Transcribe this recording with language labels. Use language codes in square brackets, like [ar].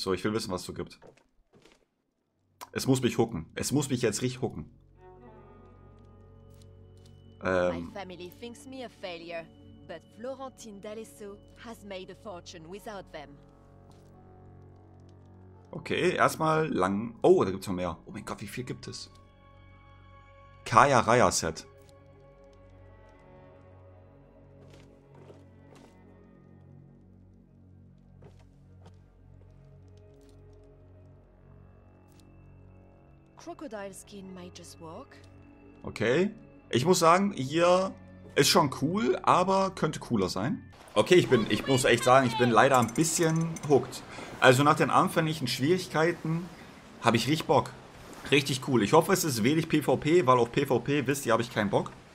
[de] So, ich will wissen, was es so gibt. Es muss mich hooken. Es muss mich jetzt richtig hooken. [en] My family thinks me a failure, but Florentine Dalisso has made a fortune without them. [de] Okay, erstmal lang. Oh, da gibt es noch mehr. Oh mein Gott, wie viel gibt es? Kaya Raya Set. [en] Crocodile skin might just walk. [de] Okay. Ich muss sagen, hier Ist schon cool, aber könnte cooler sein. Okay, ich muss echt sagen, ich bin leider ein bisschen hooked. Also nach den anfänglichen Schwierigkeiten habe ich richtig Bock. Richtig cool. Ich hoffe, es ist wenig PvP, weil auf PvP, wisst ihr, habe ich keinen Bock.